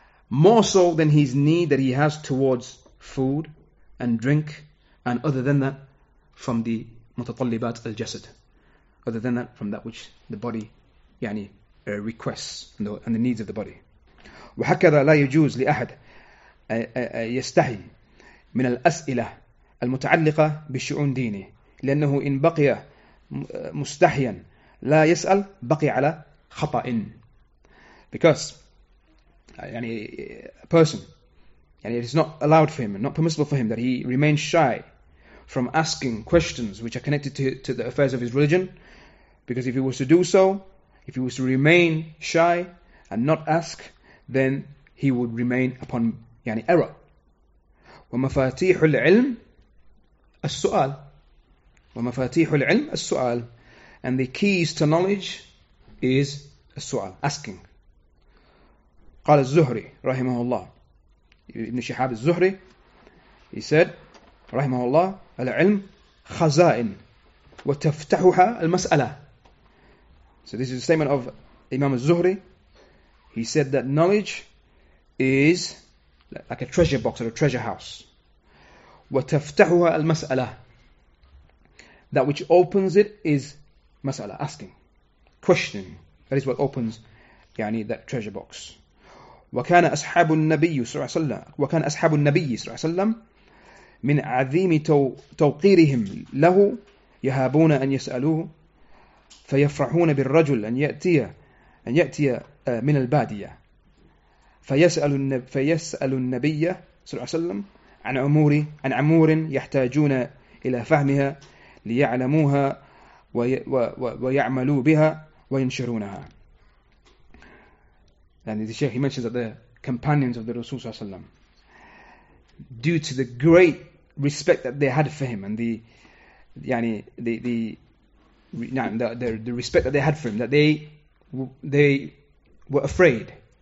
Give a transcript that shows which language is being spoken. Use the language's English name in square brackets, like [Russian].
[English] More so than his need that he has towards food and drink and other than that from the mutatallibat al-jasad. Other than that from that which the body yani requests and the needs of the body. [Arabic] وَحَكَذَا لَا يُجُوزْ لِأَحَدٍ يَسْتَحِي من الأسئلة المتعلقة بشؤون دينه لأنه إن بقي مستحيا لا يسأل بقي على خطأ. [English] Because يعني, a person يعني, it is not allowed for him, not permissible for him, that he remains shy from asking questions which are connected to the affairs of his religion, because if he was to do so, if he was to remain shy and not ask, then he would remain upon يعني, error. [Arabic] ومفاتيح العلم السؤال. ومفاتيح العلم السؤال. [English] And the keys to knowledge is السؤال, asking. [Arabic] قال الزهري رحمه الله, ابن شهاب الزهري, [English] he said [Arabic] رحمه الله, العلم خزائن وتفتحها المسألة. [English] So this is a statement of Imam al-Zuhri. He said that knowledge is like a treasure box or a treasure house. [Arabic] وتفتحها المسألة. [English] That which opens it is مسألة, asking, questioning. That is what opens يعني that treasure box. [Arabic] وكان أصحاب النبي صلى الله عليه وسلم من عظيم توقيرهم له يهابون أن يسألوه فيفرحون بالرجل أن يأتي من البادية. فيسأل النبي صلى الله عليه وسلم عن أمور عن عمور يحتاجون إلى فهمها ليعلموها ويعملوا بها وينشرونها. [English] And the Sheikh, he mentions that the companions of the Rasul Sallallahu Alaihi Wasallam, due to the great respect that they had for him and the respect that they had for him, that they were afraid.